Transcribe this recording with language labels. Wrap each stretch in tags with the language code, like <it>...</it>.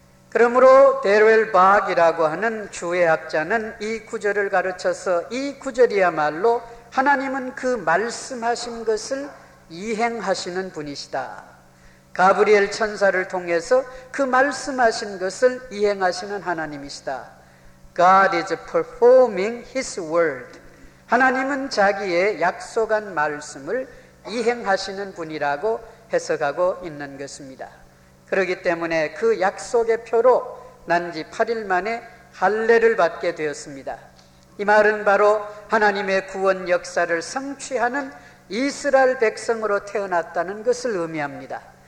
<ko>그러므로 데르웰 박이라고 하는 주의학자는 이 구절을 가르쳐서 이 구절이야말로 하나님은 그 말씀하신 것을 이행하시는 분이시다. 가브리엘 천사를 통해서 그 말씀하신 것을 이행하시는 하나님이시다.</ko> <en>God is performing his word.</en> <ko>하나님은 자기의 약속한 말씀을 이행하시는 분이라고 해석하고 있는 것입니다. 그렇기 때문에 그 약속의 표로 난 지 8일 만에 할례를 받게 되었습니다. 이 말은 바로 하나님의 구원 역사를 성취하는 이스라엘 백성으로 태어났다는 것을 의미합니다.</ko>